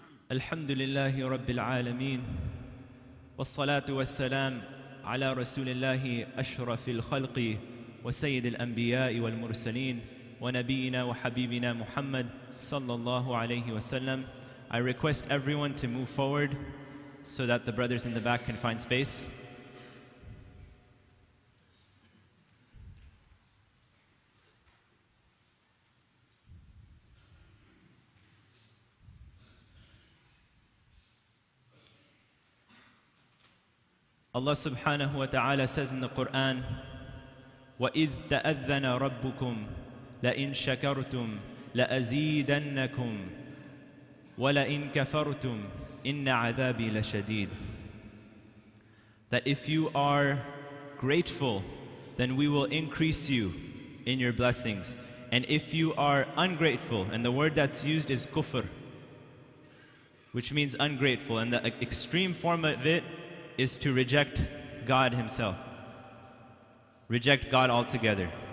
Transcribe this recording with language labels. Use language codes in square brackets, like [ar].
[ar] الحمد لله رب العالمين والصلاة والسلام على رسول الله أشرف الخلق وسيد الأنبياء والمرسلين ونبينا وحبيبنا محمد صلى الله عليه وسلم. [en] I request everyone to move forward so that the brothers in the back can find space. Allah subhanahu wa ta'ala says in the Quran, [ar] وَإِذْ تَأَذَّنَ رَبُّكُمْ لَإِنْ شَكَرْتُمْ لَأَزِيدَنَّكُمْ وَلَإِنْ كَفَرْتُمْ إِنَّ عَذَابِي لَشَدِيدٌ. [en] That if you are grateful, then we will increase you in your blessings. And if you are ungrateful, and the word that's used is kufr, which means ungrateful, and the extreme form of it is to reject God Himself, reject God altogether.